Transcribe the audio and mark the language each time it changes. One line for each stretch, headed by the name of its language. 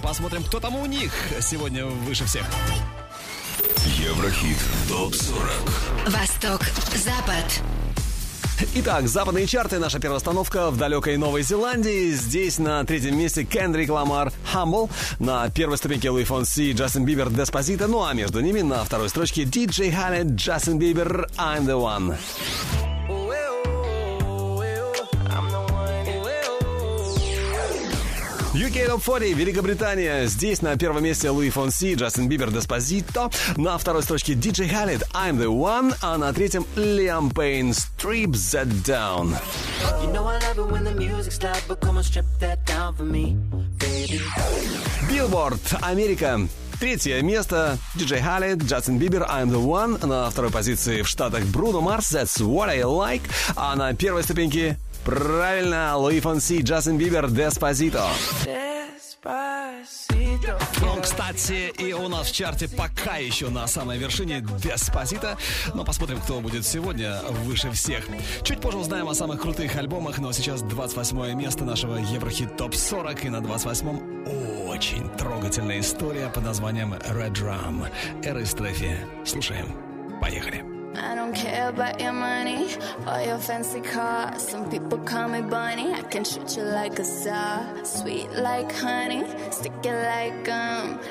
Russian: Посмотрим, кто там у них сегодня выше всех. Еврохит ТОП 40. Восток, Запад. Итак, западные чарты. Наша первая остановка в далекой Новой Зеландии. Здесь на третьем месте Kendrick Lamar Humble. На первой ступеньке Louis Fonsi, Justin Bieber, Despacito. Ну а между ними на второй строчке DJ Khaled, Justin Bieber, I'm the One. UK Top 40, Великобритания. Здесь на первом месте Louis Fonsi, Justin Bieber, Despacito. На второй строчке DJ Khaled, I'm the One. А на третьем Liam Payne, Strip That Down. Billboard, Америка. Третье место DJ Khaled, Justin Bieber, I'm the One. На второй позиции в Штатах Bruno Mars, That's What I Like. А на первой ступеньке... Правильно, Louis Fonsi, Justin Bieber, Despacito. Despacito. Он, кстати, и у нас в чарте пока еще на самой вершине Деспасито. Но посмотрим, кто будет сегодня выше всех. Чуть позже узнаем о самых крутых альбомах, но сейчас 28 место нашего Еврохит ТОП-40. И на 28-м очень трогательная история под названием Red Drum. Эры Стрефи. Слушаем. Поехали.
English: I don't care about your money or your fancy car. Some people call me bunny. I can treat you like a star. Sweet like honey, stick it like gum.